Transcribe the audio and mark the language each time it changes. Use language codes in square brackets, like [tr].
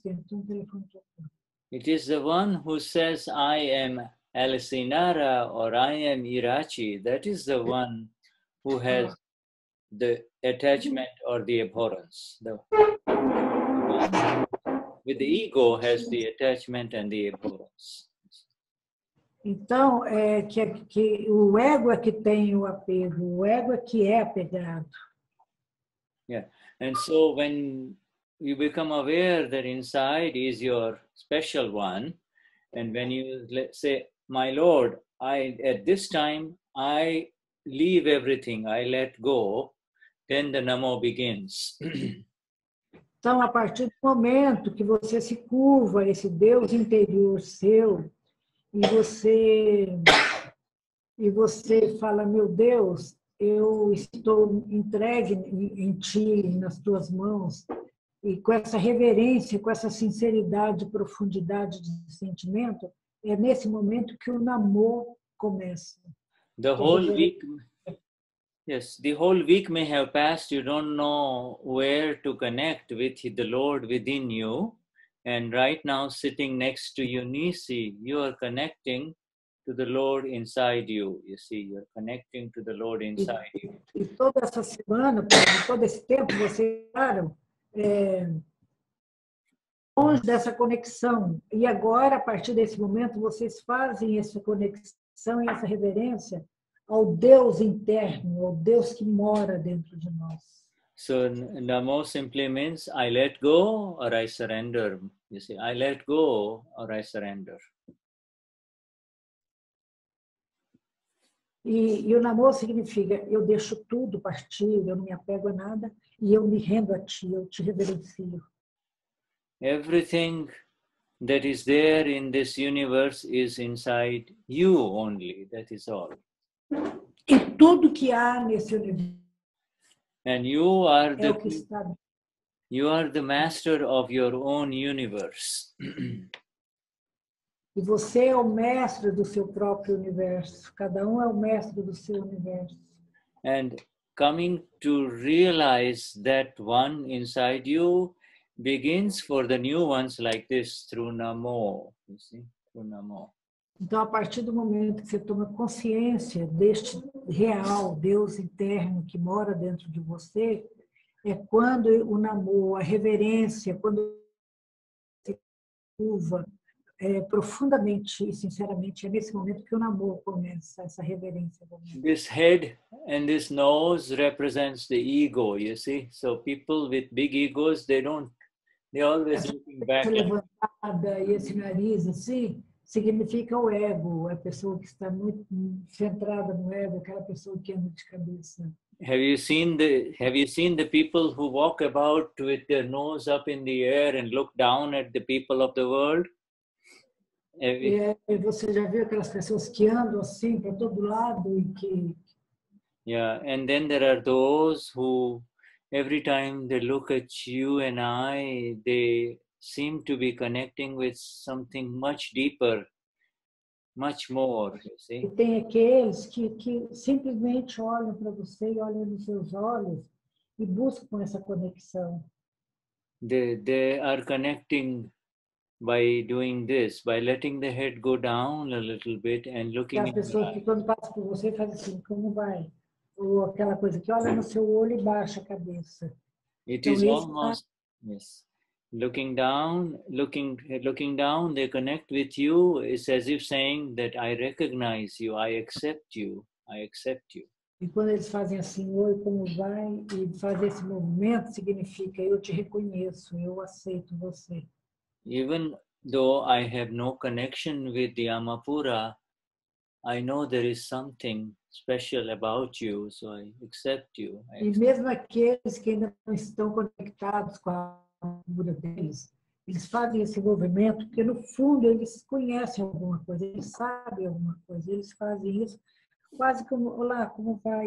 [en] It is the one who says, I am Alisinara or I am Irachi. That is the one who has the attachment or the abhorrence. The with the ego has the attachment and the abhorrence. [pt] Então, que o ego é que tem o apego, o ego é que é apegado. [en] Yeah, and so when you become aware that inside is your special one, and when you say, my Lord, I at this time I leave everything, I let go, then the namo begins. [pt] Então, a partir do momento que você se curva esse Deus interior seu e você fala, meu Deus, eu estou entregue em ti, nas tuas mãos, e com essa reverência, com essa sinceridade, profundidade de sentimento, é nesse momento que o namoro começa. [en] The whole week, yes, the whole week may have passed, you don't know where to connect with the Lord within you, and right now sitting next to Eunice, you are connecting to the Lord inside you. You see, you're connecting to the Lord inside you. [pt] E toda essa semana, todo esse tempo, vocês ficaram longe dessa conexão. E agora, a partir desse momento, vocês fazem essa conexão e essa reverência ao Deus interno, ao Deus que mora dentro de nós. [en] So, namo simply means I let go or I surrender. You see, I let go or I surrender. [pt] E o namoro significa eu deixo tudo partir, eu não me apego a nada e eu me rendo a ti, eu te reverencio. [en] Everything that is there in this universe is inside you only, that is all. [pt] E tudo que há nesse universo. [en] And you are the, [pt] é o que está. [en] You are the master of your own universe. [pt] E você é o mestre do seu próprio universo. Cada um é o mestre do seu universo. [en] And coming to realize that one inside you begins for the new ones like this through namo. You see? Through namo. [pt] Então, a partir do momento que você toma consciência deste real Deus interno que mora dentro de você, é quando o namo, a reverência, quando você curva, profundamente e sinceramente, é nesse momento que o namoro começa, essa reverência. [en] This head and this nose represents the ego, you see? So people with big egos, they're always looking back. [pt] Essa levantada e esse nariz, assim, significa o ego, a pessoa que está muito centrada no ego, aquela pessoa que anda de cabeça. [en] Have you seen the people who walk about with their nose up in the air and look down at the people of the world? [pt] E você já viu aquelas pessoas que andam assim para todo lado e que... [en] Yeah, and then there are those who, every time they look at you and I, they seem to be connecting with something much deeper, much more, you see? [pt] E tem aqueles que simplesmente olham para você e olham nos seus olhos e buscam essa conexão. [en] They are connecting by doing this, by letting the head go down a little bit and looking [pt] at pessoa que quando passa por você faz assim, como vai? Ou aquela coisa que olha no seu olho e baixa a cabeça. [en] It is almost, yes. Looking down, they connect with you. It's as if saying that I recognize you, I accept you. [pt] E quando eles fazem assim, oi, como vai? E fazer esse movimento significa eu te reconheço, eu aceito você. [en] Even though I have no connection with the Amapura, I know there is something special about you, so I accept you. [pt] E mesmo aqueles que ainda não estão conectados com a Amapura deles, eles fazem esse movimento porque no fundo eles conhecem alguma coisa, eles sabem alguma coisa, eles fazem isso quase como, olá, como vai?